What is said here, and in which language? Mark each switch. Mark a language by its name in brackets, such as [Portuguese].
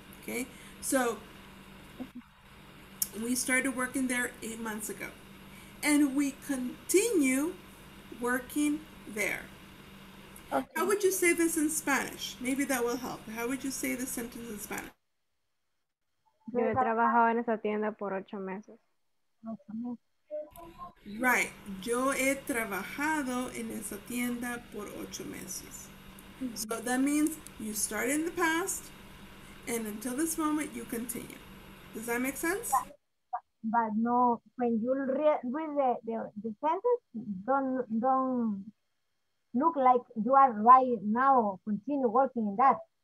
[English] Okay, so we started working there 8 months ago. And we continue working there. Okay. How would you say this in Spanish? Maybe that will help. How would you say the sentence in Spanish? [Spanish] Yo he trabajado en esa tienda por 8 meses. [English] Right. [Spanish] Yo he trabajado en esa tienda por 8 meses. Mm-hmm. [English] So that means you start in the past, and until this moment, you continue. Does that make sense? But no, when you read the sentence, don't look like you are right now, continue working in that.